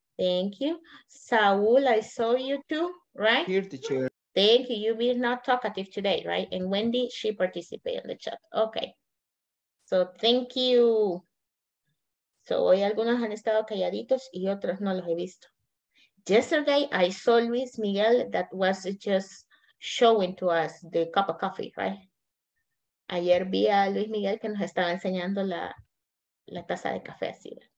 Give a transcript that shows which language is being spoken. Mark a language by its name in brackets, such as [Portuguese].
[English] Thank you. Saul, I saw you too, right? Here, teacher. Thank you. You've been not talkative today, right? And Wendy, she participated in the chat. Okay. So thank you. [Spanish] So hoy algunos han estado calladitos y otros no los he visto. [English] Yesterday, I saw Luis Miguel that was just showing to us the cup of coffee, right? [Spanish] Ayer vi a Luis Miguel que nos estaba enseñando la taza de café así.